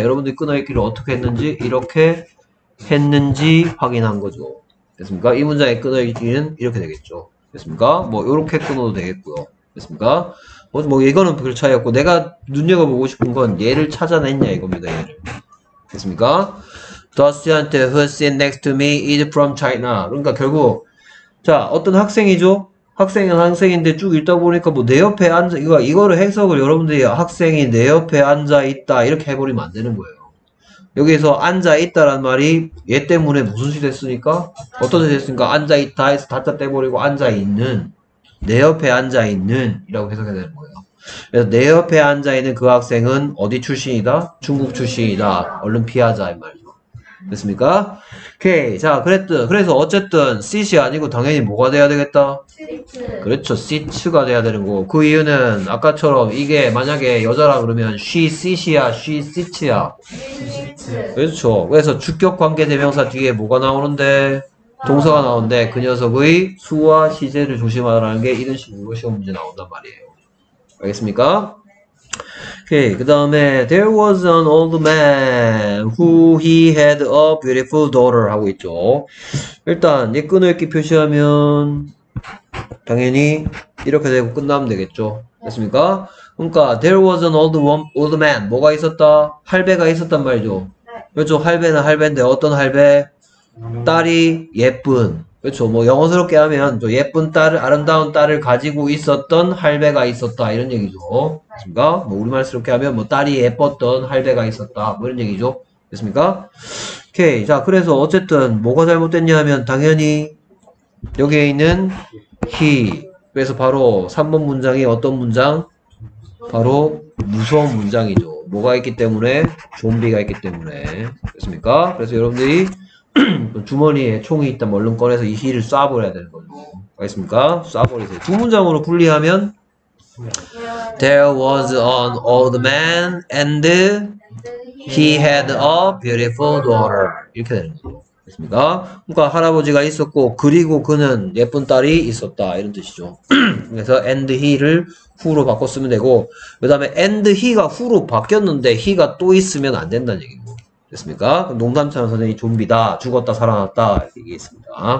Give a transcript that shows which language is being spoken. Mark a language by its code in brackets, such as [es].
[ko] 여러분들이 끊어읽기를 어떻게 했는지, 이렇게 했는지 확인한 거죠. 됐습니까? 이 문장의 끊어읽기는 이렇게 되겠죠. 됐습니까? 뭐, 이렇게 끊어도 되겠고요. 됐습니까? 뭐, 이거는 별 차이 없고, 내가 눈여겨보고 싶은 건 얘를 찾아냈냐, 이겁니다, 얘를. 됐습니까? [en] The student who sits next to me is from China. [ko] 그러니까 결국, 자, 어떤 학생이죠? 학생은 학생인데 쭉 읽다 보니까 뭐내 옆에 앉아 이거를 해석을 여러분들이 학생이 내 옆에 앉아 있다 이렇게 해버리면 안 되는 거예요. 여기에서 앉아 있다란 말이 얘 때문에 무슨 시 됐습니까? 어떤 시 됐습니까? 앉아 있다 해서 다짜 떼버리고 앉아 있는 내 옆에 앉아 있는 이라고 해석해야 되는 거예요. 그래서 내 옆에 앉아 있는 그 학생은 어디 출신이다? 중국 출신이다. 얼른 피하자 이 말이죠. 됐습니까? 오케이. 자, 그랬든, 그래서 어쨌든, 씻이 아니고 당연히 뭐가 돼야 되겠다? 그렇죠. 씻츠가 돼야 되는 거고. 그 이유는 아까처럼 이게 만약에 여자라 그러면 [en] she sits [ko] 야, she sits야. 그렇죠. 그래서 주격 관계 대명사 뒤에 뭐가 나오는데? 동사가 나오는데 그 녀석의 수와 시제를 조심하라는 게 이런 식으로 시험 문제 나온단 말이에요. 알겠습니까? 오케이. 그 다음에 [en] there was an old man who he had a beautiful daughter [ko] 하고 있죠. 일단 이 끊을기 표시하면 당연히 이렇게 되고 끝나면 되겠죠. 됐습니까? 그러니까 [en] there was an old man. [ko] 뭐가 있었다? 할배가 있었단 말이죠. 그렇죠. 할배는 할배인데 어떤 할배? 딸이 예쁜. 그렇죠. 뭐 영어스럽게 하면 또 예쁜 딸을, 아름다운 딸을 가지고 있었던 할배가 있었다. 이런 얘기죠. 됐습니까? 뭐 우리말스럽게 하면 뭐 딸이 예뻤던 할배가 있었다. 뭐 이런 얘기죠. 됐습니까? 오케이. 자, 그래서 어쨌든 뭐가 잘못됐냐 하면 당연히 여기에 있는 he. 그래서 바로 3번 문장이 어떤 문장? 바로 무서운 문장이죠. 뭐가 있기 때문에? 좀비가 있기 때문에. 됐습니까? 그래서 여러분들이 주머니에 총이 있다면 얼른 꺼내서 이 힐을 쏴버려야 되는 거죠. 알겠습니까? 쏴버리세요. 두 문장으로 분리하면 [en] There was an old man and he had a beautiful daughter. [ko] 이렇게 되는 거죠. 알겠습니까? 그러니까 할아버지가 있었고 그리고 그는 예쁜 딸이 있었다. 이런 뜻이죠. 그래서 and he를 who로 바꿨으면 되고 그 다음에 and he가 who로 바뀌었는데 he가 또 있으면 안 된다는 얘기입니다. 됐습니까? 농담처럼 선생님이 좀비다, 죽었다, 살아났다 이렇게 얘기했습니다.